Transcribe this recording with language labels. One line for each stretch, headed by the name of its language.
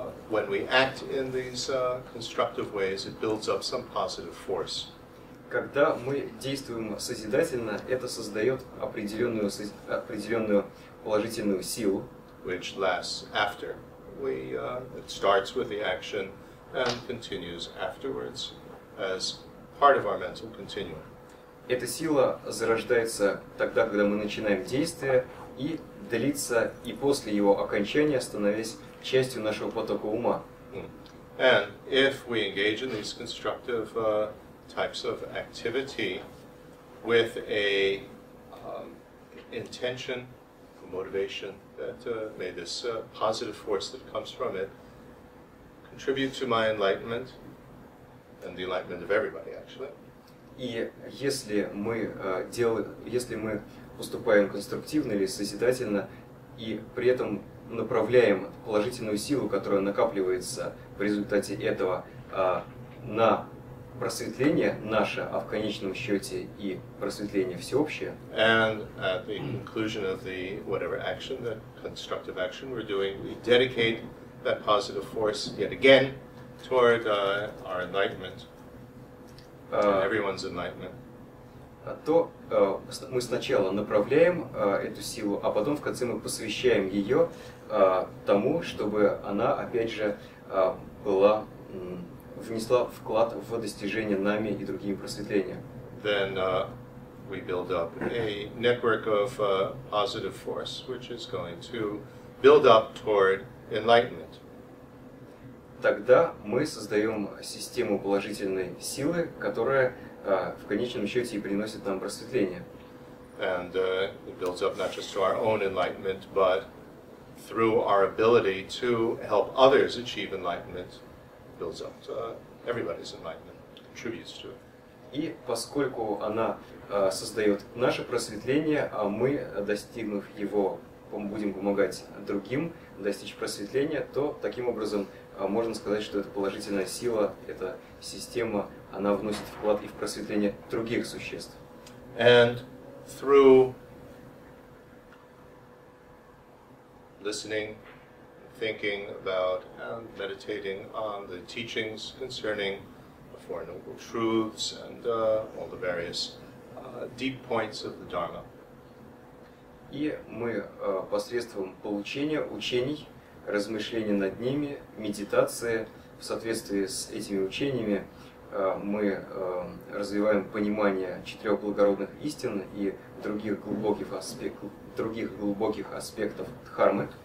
English: When we act in these constructive ways, it builds up some positive force.
Russian: Когда мы действуем созидательно, это создает определенную положительную силу.
English: Which lasts after we. It starts with the action and continues afterwards as part of our mental continuum.
Russian: Эта сила зарождается тогда, когда мы начинаем действие. И длится и после его окончания, становясь частью нашего потока ума.
English: And if we engage in these constructive types of activity with a intention, a motivation that may this positive force that comes from it contribute to my enlightenment and the enlightenment of everybody, actually.
Russian: И если мы поступаем конструктивно или созидательно, и при этом направляем положительную силу, которая накапливается в результате этого, на просветление наше, а в конечном счете и просветление всеобщее.
English: And at the conclusion of the whatever action, the constructive action we're doing, we dedicate that positive force yet again toward our enlightenment, everyone's enlightenment.
Russian: То мы сначала направляем эту силу, а потом в конце мы посвящаем ее тому, чтобы она опять же внесла вклад в достижение нами и другими просветления.
English: Then we build up a network of positive force, which is going to build up toward enlightenment.
Russian: Тогда мы создаем систему положительной силы, которая в конечном счете и приносит нам просветление.
English: And it builds up not just to our own enlightenment, but through our ability to help others achieve enlightenment, builds up to everybody's enlightenment, contributes to it.
Russian: И поскольку она создает наше просветление, а мы, достигнув его, будем помогать другим достичь просветления, то таким образом можно сказать, что это положительная сила, эта система, она вносит вклад и в просветление других существ.
English: And through listening, thinking about and meditating on the teachings concerning the Four Noble Truths and all the various deep points of the Dharma.
Russian: И мы посредством получения учений, размышления над ними, медитации в соответствии с этими учениями, мы развиваем понимание четырех благородных истин и других глубоких аспектов дхармы.